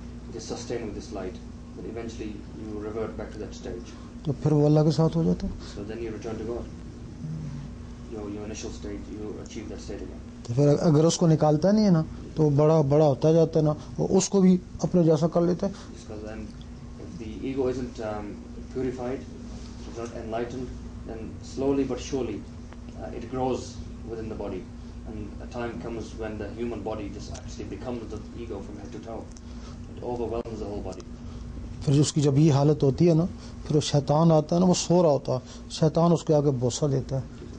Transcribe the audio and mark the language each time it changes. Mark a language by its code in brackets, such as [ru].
[en] It is sustained with this light. But eventually, you revert back to that stage. So then you return to God. Your initial state, you achieve that state again. [hi] फिर अगर उसको निकालता नहीं है ना तो बड़ा बड़ा होता जाता है ना और उसको भी अपने जैसा कर लेता [en] है the ego isn't purified it's not enlightened then slowly but surely it grows within the body and a time comes when the human body just actually becomes the ego from head to toe it overwhelms the whole body [hi] फिर उसकी जब ये हालत होती है ना फिर वो शैतान आता है ना वो सो रहा होता है शैतान उसके आगे बोसा देता है